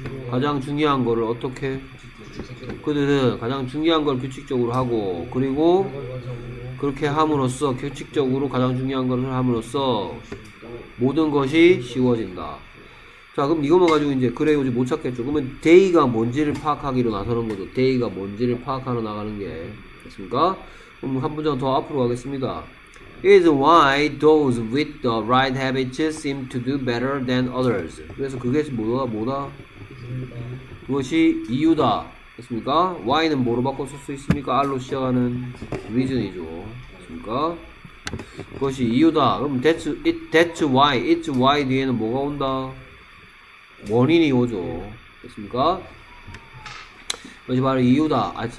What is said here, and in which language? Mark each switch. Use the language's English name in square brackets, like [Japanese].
[Korean] 가장 중요한 거를 어떻게? 그들은 가장 중요한 걸 규칙적으로 하고 그리고 그렇게 함으로써 규칙적으로 가장 중요한 것을 함으로써 모든 것이 쉬워진다. 자 그럼 이것만 가지고 이제 그래요 이제 못 찾겠죠. 그러면 데이가 뭔지를 파악하기로 나서는 거죠. 데이가 뭔지를 파악하러 나가는 게 됐습니까? 그럼 한 문장 더 앞으로 가겠습니다. [English] Is why those with the right habits seem to do better than others. [Korean] 그래서 그게 뭐다? 그것이 이유다 됐습니까? Why는 뭐로 바꿔 쓸 수 있습니까? R로 시작하는 reason이죠 됐습니까? 그것이 이유다. 그럼 that's why. it's why 뒤에는 뭐가 온다? 원인이 오죠. 됐습니까? 그것이 바로 이유다.